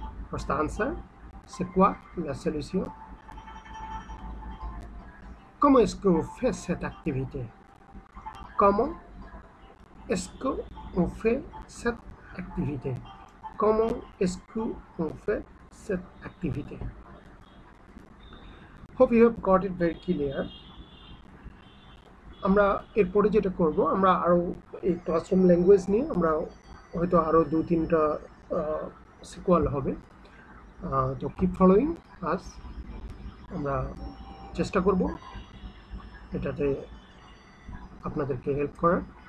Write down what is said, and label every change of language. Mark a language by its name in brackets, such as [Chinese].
[English] First answer, [French] c'est quoi la solution? Comment est-ce qu'on fait cette activité? Comment est-ce qu'on fait cette activité? Activité. Comment est-ce qu'on fait cette activité? [English] Hope you have got it very clear. [Bangla] আমরা এরপরে যেটা করব, আমরা আরও এই classroom language নিয়ে আমরা হয়তো আরও দু তিনটা সিকুয়াল হবে। তো [English] keep following us, [Bangla] আমরা চেষ্টা করব এটাতে আপনাদেরকে হেল্প করার।